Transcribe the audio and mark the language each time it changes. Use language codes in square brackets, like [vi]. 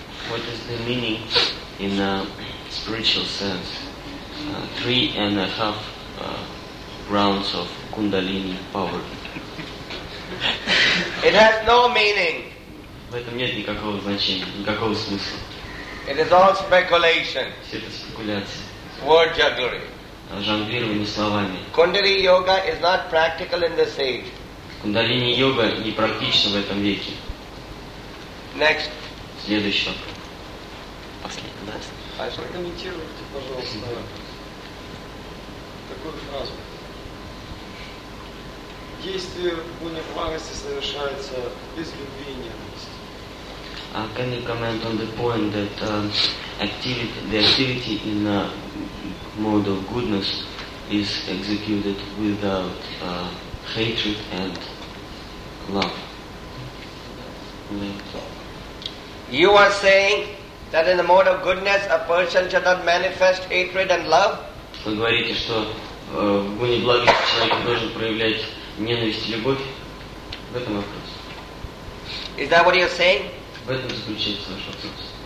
[en] What is the meaning in a spiritual sense? Three and a half rounds of kundalini power. It has no meaning. [ru] В этом нет никакого значения, никакого смысла. [en] It is all speculation. [ru] Все это спекуляции. [en] Word jugglery. [ru] Жонглирование словами. [en] Kundalini yoga is not practical in this age. [ru] Кундалини йога не практична в этом веке. [en] Next. [ru] Следующий. Последний. Да. Прокомментируйте, пожалуйста, такую фразу. Действие пуня-бхакти совершается без любви и ненависти. [en] Can you comment on the point that the activity in a mode of goodness is executed without hatred and love? You are saying that in the mode of goodness a person should not manifest hatred and love? [ru] Вы говорите, что в гуне благости человек должен проявлять ненависть и любовь? В этом вопрос. [en] Is that what you're saying? [ru] В этом заключается ваш вопрос.